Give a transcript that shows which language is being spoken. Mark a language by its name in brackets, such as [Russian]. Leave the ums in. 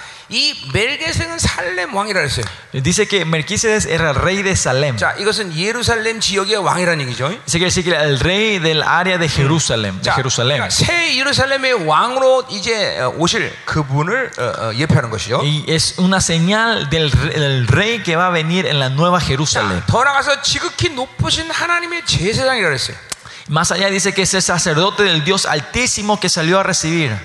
[Korean] 이 멜게셋은 살렘 왕이라 했어요. [Spanish] Dice que Melquisedes era rey de Salem. [Korean] 자, 이것은 예루살렘 지역의 왕이라는 얘기죠. [Spanish] Dice que es el rey del área de Jerusalem, de Jerusalén. [Korean] 새 예루살렘의 왕으로 이제 오실 그분을 예표하는 것이죠. [Spanish] Y es una señal del el rey que va a venir en la nueva Jerusalén. [Korean] 돌아가서 지극히 높으신 하나님의 제사장이라 했어요. [Spanish] Más allá dice que es el sacerdote del Dios Altísimo que salió a recibir.